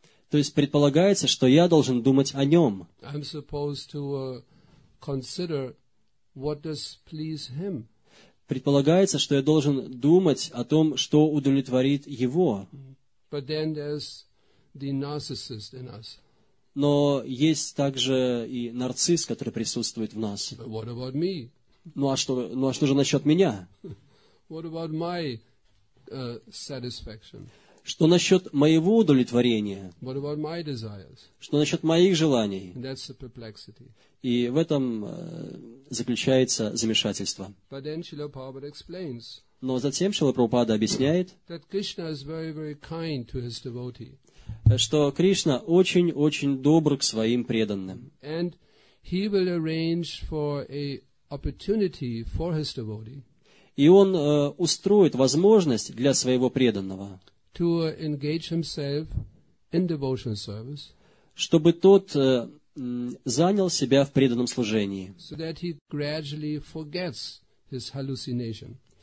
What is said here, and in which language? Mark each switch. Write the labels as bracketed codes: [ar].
[ru] То есть предполагается, что я должен думать о нем. [en] I'm supposed to consider what does please him. [ru] Предполагается, что я должен думать о том, что удовлетворит его. [en] But then there's the narcissist in us. [ru] Но есть также и нарцисс, который присутствует в нас. [en] But what about me? [ru] Ну а что же насчет меня? [en] What about my satisfaction? [ru] Что насчет моего удовлетворения? [en] What about my desires? [ru] Что насчет моих желаний? [en] That's the perplexity. [ru] И в этом заключается замешательство. [en] But then Srila Prabhupada explains. [ru] Но затем Шрила Прабхупада объясняет, [en] that Krishna is very, very kind to his devotee. [ru] Что Кришна очень-очень добр к своим преданным. [en] And he will arrange for a opportunity for his devotee. [ru] И он устроит возможность для своего преданного, [en] to engage himself in devotional service, [ru] чтобы тот занял себя в преданном служении, [en] so that he gradually forgets his hallucination.